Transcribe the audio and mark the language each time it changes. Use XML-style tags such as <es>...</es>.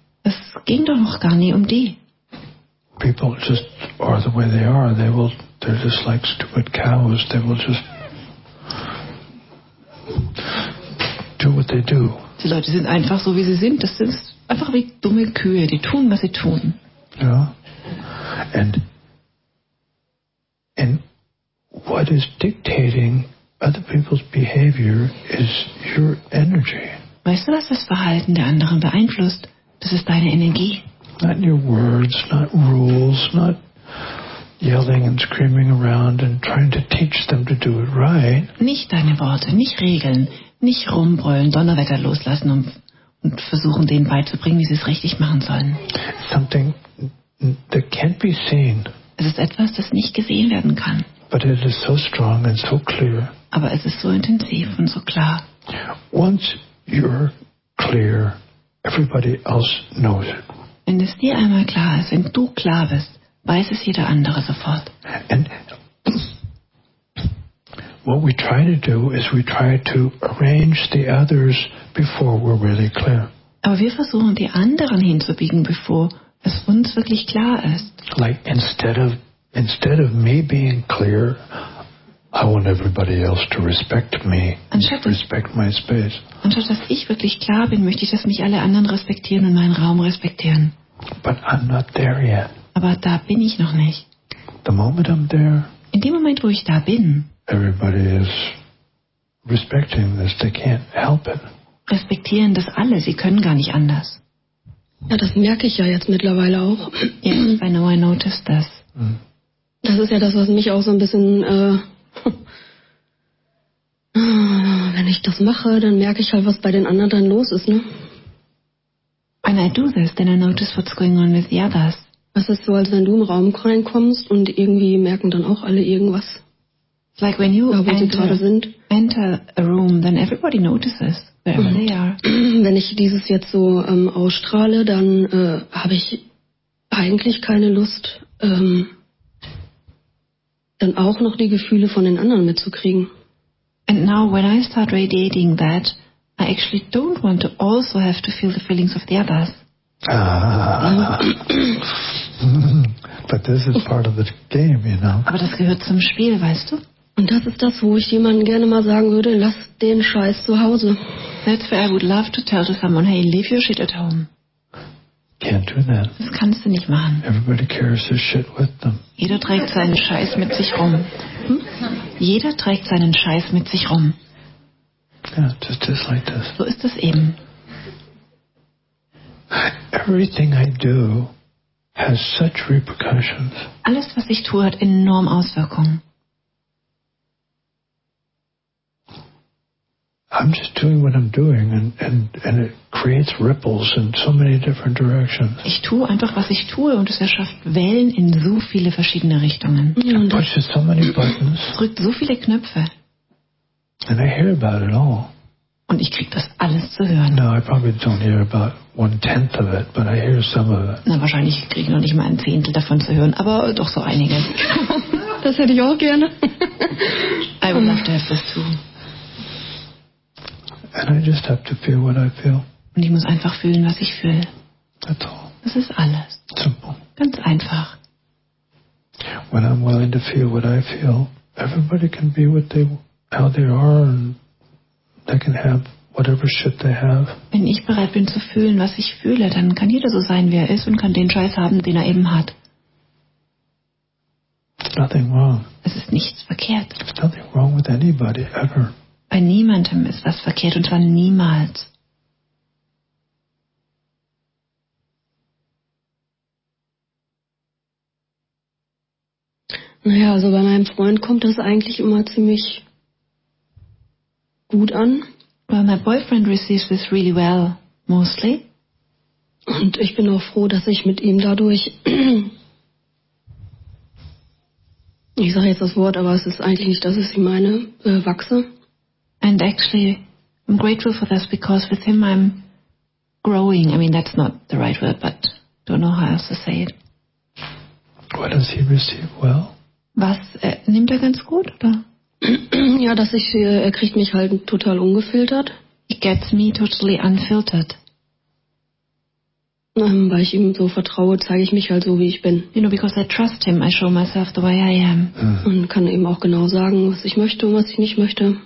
<de>Es ging doch noch gar nie um die.</de> <en>People just are the way they are. They're just like stupid cows. They will just do what they do.</en> <de>Die Leute sind einfach so, wie sie sind. Das sind einfach wie dumme Kühe. Die tun, was sie tun. Ja.</de> <en>And what is dictating other people's behavior is your energy.</en> <de>Weißt du, was das Verhalten der anderen beeinflusst? Das ist deine Energie.</de> <en>Not your words, not rules, not yelling and screaming around and trying to teach them to do it right.</en> <de>Nicht deine Worte, nicht Regeln, nicht rumbrüllen, Donnerwetter loslassen und versuchen, denen beizubringen, wie sie es richtig machen sollen.</de> <en>Something that can't be seen.</en> <de>Es ist etwas, das nicht gesehen werden kann.</de> <en>But it is so strong and so clear.</en> <de>Aber es ist so intensiv und so klar.</de> <en>Once you're clear, everybody else knows it.</en> <de>Wenn es dir einmal klar ist, wenn du klar bist, weiß es jeder andere sofort.</de> <en>And what we try to do is we try to arrange the others before we're really clear.</en> <de>Aber wir versuchen, die anderen hinzubiegen, bevor es uns wirklich klar ist.</de> <en>Like instead of me being clear, I want everybody else to respect me, respect my space.</en> <de>Anstatt dass ich wirklich klar bin, möchte ich, dass mich alle anderen respektieren und meinen Raum respektieren.</de> <en>But I'm not there yet.</en> <de>Aber da bin ich noch nicht.</de> <en>The moment I'm there,</en> <de>in dem Moment, wo ich da bin,</de> <en>everybody is respecting this. They can't help it.</en> <de>Respektieren das alle. Sie können gar nicht anders. Ja, das merke ich ja jetzt mittlerweile auch.</de> <en>Yes, I know, I noticed this.</en> <de>Das ist ja das, was mich auch so ein bisschen... Wenn ich das mache, dann merke ich halt, was bei den anderen dann los ist, ne?</de> <en>When I do this, then I notice what's going on with the others.</en> <de>Das ist so, als wenn du im Raum reinkommst und irgendwie merken dann auch alle irgendwas.</de> <en>It's like when you enter a room, then everybody notices wherever they are.</en> <de>Wenn ich dieses jetzt so ausstrahle, dann habe ich eigentlich keine Lust, dann auch noch die Gefühle von den anderen mitzukriegen.</de> <en>And now when I start radiating that, I actually don't want to also have to feel the feelings of the others. But this is part of the game, you know.</en> <de>Aber das gehört zum Spiel, weißt du? Und das ist das, wo ich jemandem gerne mal sagen würde, lass den Scheiß zu Hause.</de> <en>That's where I would love to tell to someone, hey, leave your shit at home. Can't do that.</en> <de>Das kannst du nicht machen.</de> <en>Everybody carries his shit with them.</en> <de>Jeder trägt seinen Scheiß mit sich rum. Jeder trägt seinen Scheiß mit sich rum.</de> <en>Yeah, just like this.</en> <de>So ist es eben.</de> <en>Everything I do has such repercussions.</en> <de>Alles, was ich tue, hat enorm Auswirkungen.</de> <en>I'm just doing what I'm doing and it creates ripples in so many different directions.</en> <de>Ich tue einfach, was ich tue und es erschafft Wellen in so viele verschiedene Richtungen.</de> <en>It pushes so many buttons.</en> <de>Drückt so viele Knöpfe.</de> <en>And I hear about it all.</en> <de>Und ich krieg das alles zu hören.</de> <en>No, I probably don't hear about 1/10 of it, but I hear some of it.</en> <de>Na, wahrscheinlich kriege ich noch nicht mal 1/10 davon zu hören, aber doch so einiges. Das hätte ich auch gerne.</de> <en>I would love to have this too. And I just have to feel what I feel.</en> <de>Und ich muss einfach fühlen, was ich fühle.</de> <en>That's all.</en> <de>Das ist alles.</de> <en>Simple.</en> <de>Ganz einfach.</de> <en>When I'm willing to feel what I feel, everybody can be what they how they are and they can have whatever shit they have.</en> <de>Wenn ich bereit bin zu fühlen, was ich fühle, dann kann jeder so sein, wie er ist und kann den Scheiß haben, den er eben hat.</de> <en>Nothing wrong.</en> <de>Es ist nichts verkehrt.</de> <en>Nothing wrong with anybody ever.</en> <de>Bei niemandem ist was verkehrt und zwar niemals. Naja, also bei meinem Freund kommt das eigentlich immer ziemlich gut an.</de> <en>Well, my boyfriend receives this really well, mostly.</en> <de>Und ich bin auch froh, dass ich mit ihm dadurch... ich sage jetzt das Wort, aber es ist eigentlich nicht das, was ich meine, wachse.</de> <en>And actually, I'm grateful for this because with him I'm growing. I mean, that's not the right word, but don't know how else to say it. What does he receive well?</en> <de>Was nimmt er ganz gut, oder? Ja, dass ich er kriegt mich halt total ungefiltert.</de> <en>He gets me totally unfiltered.</en> <de>Weil ich ihm so vertraue, zeige ich mich halt so, wie ich bin.</de> <en>You know, because I trust him, I show myself the way I am. Mm.</en> <de>Und kann eben auch genau sagen, was ich möchte und was ich nicht möchte.</de>